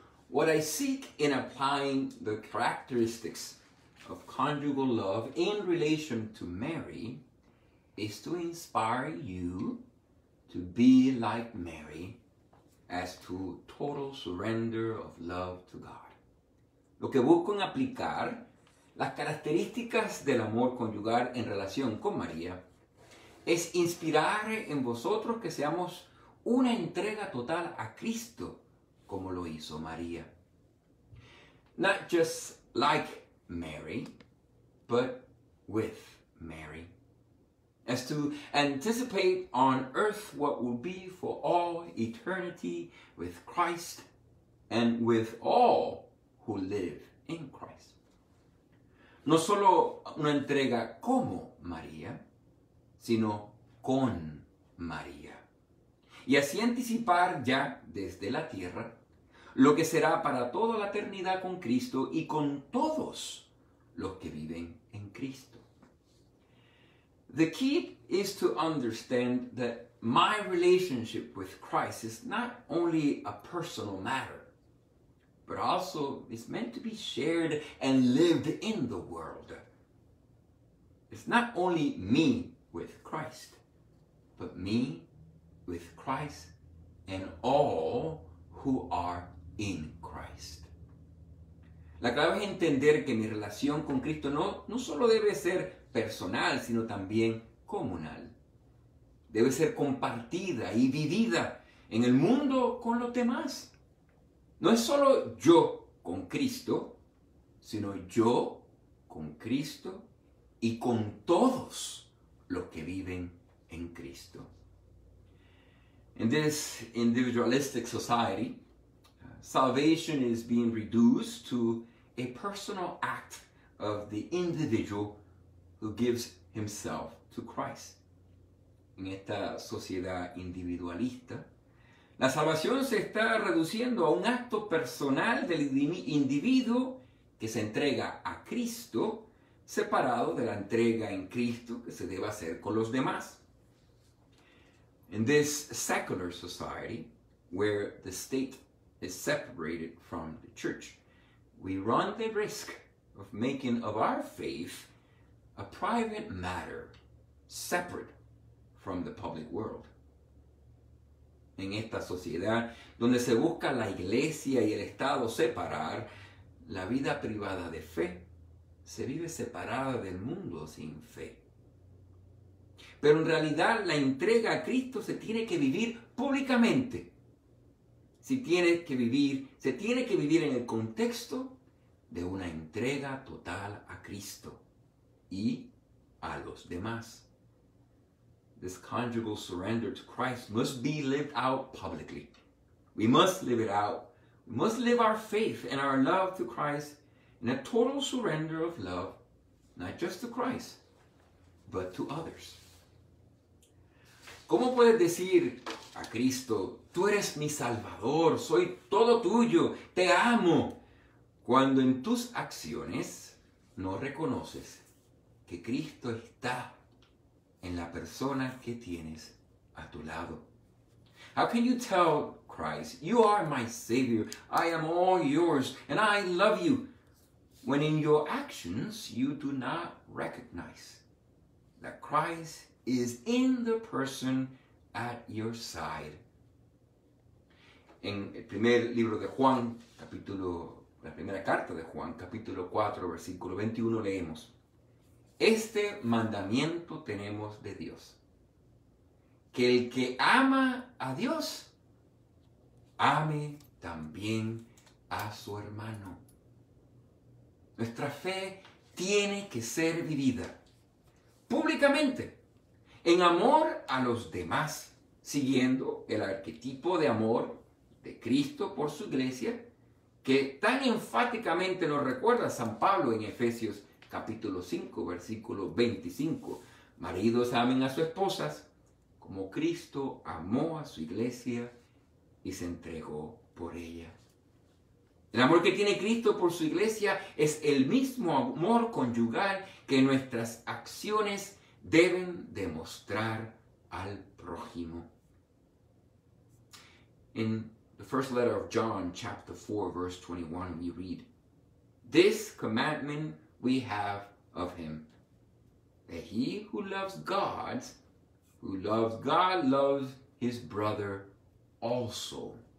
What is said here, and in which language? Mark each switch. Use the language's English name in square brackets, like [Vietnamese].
[English] What I seek in applying the characteristics of conjugal love in relation to Mary is to inspire you to be like Mary as to total surrender of love to God. [Spanish] Lo que busco en aplicar las características del amor conyugal en relación con María es inspirar en vosotros que seamos una entrega total a Cristo, como lo hizo María. [English] Not just like Mary, but with Mary. As to anticipate on earth what will be for all eternity with Christ and with all who live in Christ. [Spanish] No solo una entrega como María, sino con María. Y así anticipar ya desde la tierra lo que será para toda la eternidad con Cristo y con todos los que viven en Cristo. [English] The key is to understand that my relationship with Christ is not only a personal matter, but also is meant to be shared and lived in the world. It's not only me with Christ, but me with Christ and all who are in Christ. [Spanish] La clave es entender que mi relación con Cristo no solo debe ser personal, sino también comunal. Debe ser compartida y vivida en el mundo con los demás. No es solo yo con Cristo, sino yo con Cristo y con todos los que viven en Cristo. [English] In this individualistic society, salvation is being reduced to a personal act of the individual who gives himself to Christ. [Spanish] En esta sociedad individualista, la salvación se está reduciendo a un acto personal del individuo que se entrega a Cristo, separado de la entrega en Cristo que se debe hacer con los demás. [English] In this secular society, where the state is separated from the church, we run the risk of making of our faith a private matter separate from the public world. [Spanish] En esta sociedad donde se busca la iglesia y el Estado separar, la vida privada de fe se vive separada del mundo sin fe. Pero en realidad la entrega a Cristo se tiene que vivir públicamente. Se tiene que vivir en el contexto de una entrega total a Cristo y a los demás. [English] This conjugal surrender to Christ must be lived out publicly. We must live it out. We must live our faith and our love to Christ in a total surrender of love, not just to Christ, but to others. [Spanish] ¿Cómo puedes decir a Cristo, tú eres mi salvador, soy todo tuyo, te amo, cuando en tus acciones no reconoces que Cristo está en la persona que tienes a tu lado? [English] How can you tell Christ, you are my Savior, I am all yours, and I love you, when in your actions you do not recognize that Christ is in the person at your side? [Spanish] En el primer libro de Juan, la primera carta de Juan, capítulo 4, versículo 21, leemos: este mandamiento tenemos de Dios, que el que ama a Dios, ame también a su hermano. Nuestra fe tiene que ser vivida públicamente, en amor a los demás, siguiendo el arquetipo de amor de Cristo por su iglesia, que tan enfáticamente nos recuerda San Pablo en Efesios capítulo 5, versículo 25. Maridos, amen a sus esposas como Cristo amó a su iglesia y se entregó por ella. El amor que tiene Cristo por su iglesia es el mismo amor conyugal que nuestras acciones deben demostrar al prójimo. [English] In the first letter of John, chapter 4, verse 21, we read, this commandment we have of him, that he who loves God, loves his brother also.